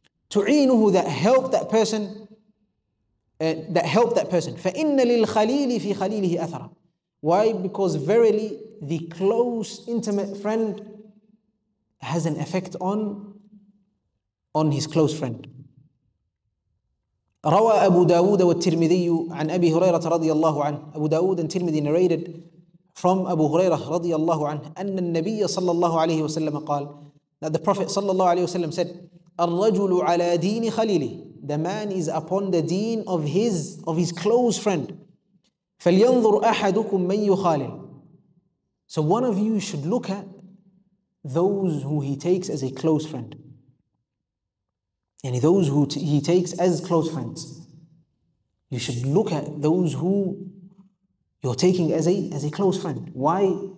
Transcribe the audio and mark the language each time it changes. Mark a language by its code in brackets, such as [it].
[en] تُعِينُهُ, that help that person, that help that person. [ar] فَإِنَّ لِلْخَلِيلِ فِي خَلِيلِهِ أَثَرًا. Why? [en] Because verily the close intimate friend has an effect on his close friend. [ar] روى أبو داود والترمذي عن أبي هريرة رضي الله عنه. أبو داود [en] and Tirmidhi narrated from [ar] أبو هريرة رضي الله عنه أن النبي صلى الله عليه وسلم قال, [en] that the Prophet [ar] صلى الله عليه وسلم said, الرجل على دين خليله. [en] The man is upon the deen of his close friend. [ar] فَلْيَنْظُرْ أَحَدُكُمْ مَنْ يُخَالِلْ. [en] So one of you should look at those who he takes as a close friend. Yani those who he takes as close friends. You should look at those who you're taking as a close friend. Why?